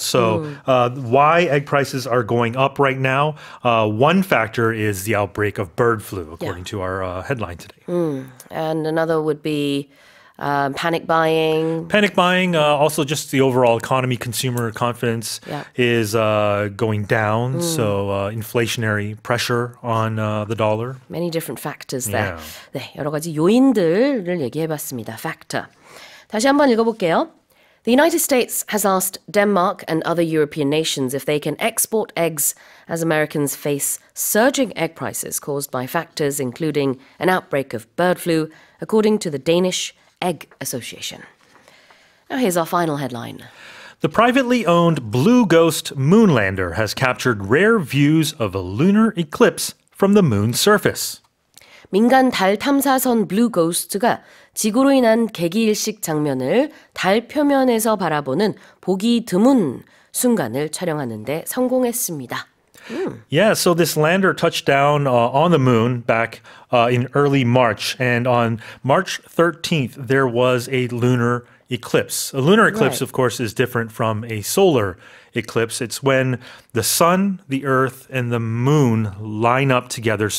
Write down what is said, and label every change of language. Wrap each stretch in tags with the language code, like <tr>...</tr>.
<en>So why egg prices are going up right now, one factor is the outbreak of bird flu, according to our headline today. And another would be panic buying. Panic buying, also just the overall economy, consumer confidence is going down. So inflationary pressure on the dollar. Many different factors there.</en> <ko>네, 여러 가지 요인들을 얘기해봤습니다. Factor. 다시 한번 읽어볼게요.</ko> <en>The United States has asked Denmark and other European nations if they can export eggs as Americans face surging egg prices caused by factors including an outbreak of bird flu, according to the Danish Egg Association. Now here's our final headline. The privately owned Blue Ghost Moonlander has captured rare views of a lunar eclipse from the moon's surface.</en> <ko>민간 달 탐사선 블루 고스트가 지구로 인한 개기일식 장면을 달 표면에서 바라보는 보기 드문 순간을 촬영하는 데 성공했습니다.</ko> <en>Yeah, so this lander touched down on the moon back in early March, and on March 13th, there was a lunar eclipse. A lunar eclipse, of course, is different from a solar eclipse. It's when the sun, the earth, and the moon line up together.</en>